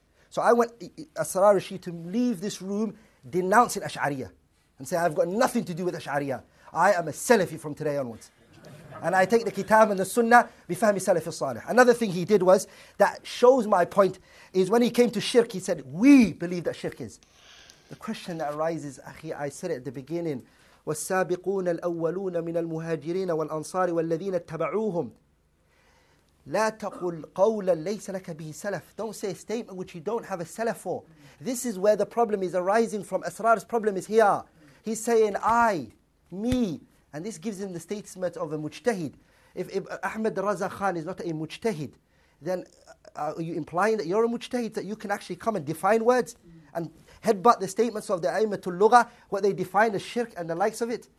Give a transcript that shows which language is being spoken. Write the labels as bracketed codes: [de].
[en] So I want Asrar Rashid to leave this room denouncing Ash'ariyah and say, I've got nothing to do with Ash'ariyah. I am a Salafi from today onwards. And I take the Kitab and the Sunnah bifahmi Salafi Salih. Another thing he did was, that shows my point, is when he came to shirk, he said, we believe that shirk is. The question that arises, akhi, I said it at the beginning, [ar] والسابقون الأولون من المهاجرين والأنصار والذين اتبعوهم لا تقول قولا ليس لك به سلف. [en] Don't say a statement which you don't have a salaf for. This is where the problem is arising from. Asrar's problem is here. He's saying, I, me. And this gives him the statement of a mujtahid. If Ahmed Raza Khan is not a mujtahid, then are you implying that you're a mujtahid, that you can actually come and define words and headbutt the statements of the Aimatul Lugha, what they define as shirk and the likes of it?